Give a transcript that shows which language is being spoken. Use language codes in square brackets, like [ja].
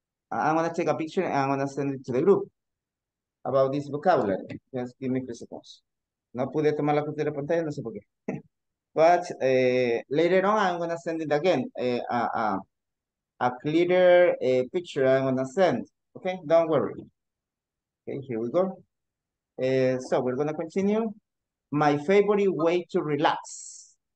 [en] I'm gonna take a picture and I'm gonna send it to the group about this vocabulary. Just give me 3 seconds. [es] No pude tomar la captura de pantalla, no sé por qué. [en] But later on, I'm gonna send it again. A clearer picture I'm gonna send. Okay, don't worry. Okay, here we go. So we're gonna continue. My favorite way to relax.